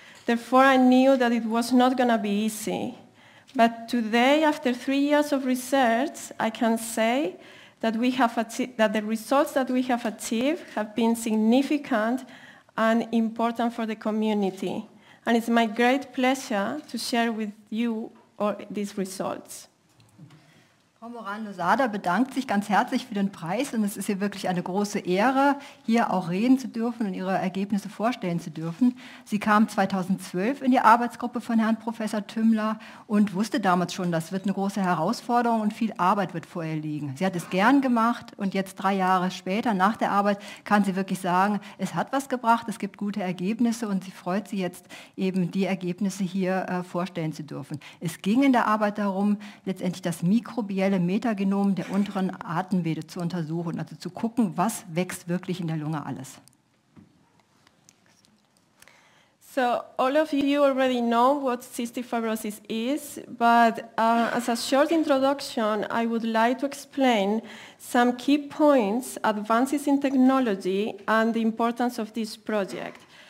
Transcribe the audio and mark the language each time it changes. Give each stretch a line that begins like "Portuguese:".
English: Therefore, I knew that it was not going to be easy. But today, after 3 years of research, I can say that we have that the results that we have achieved have been significant and important for the community. And it's my great pleasure to share with you all these results.
German: Frau Moran-Losada bedankt sich ganz herzlich für den Preis, und es ist ihr wirklich eine große Ehre, hier auch reden zu dürfen und ihre Ergebnisse vorstellen zu dürfen. Sie kam 2012 in die Arbeitsgruppe von Herrn Professor Tümmler und wusste damals schon, das wird eine große Herausforderung und viel Arbeit wird vor ihr liegen. Sie hat es gern gemacht, und jetzt 3 Jahre später nach der Arbeit kann sie wirklich sagen, es hat was gebracht, es gibt gute Ergebnisse, und sie freut sich jetzt eben, die Ergebnisse hier vorstellen zu dürfen. Es ging in der Arbeit darum, letztendlich das Mikrobiell Metagenom der unteren Atemwege zu untersuchen, also zu gucken, was wächst wirklich in der Lunge alles.
English: So, all of you already know what cystic fibrosis is, but as a short introduction, I would like to explain some key points, advances in technology, and the importance of this project.